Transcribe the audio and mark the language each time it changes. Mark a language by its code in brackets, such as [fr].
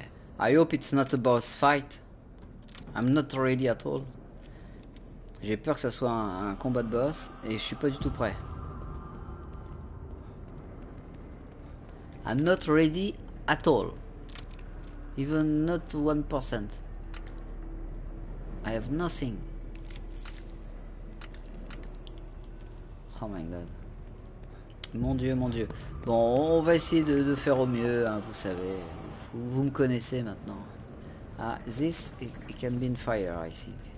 [fr] commence. [en] I hope it's not a boss fight. I'm not ready at all. [fr] J'ai peur que ça soit un combat de boss et je suis pas du tout prêt. [en] I'm not ready at all. Even not 1%. I have nothing. Oh my god. [fr] Mon dieu. Bon, on va essayer de faire au mieux, hein, vous savez. Vous me connaissez maintenant. [en] Ah, this it can be in fire, I think.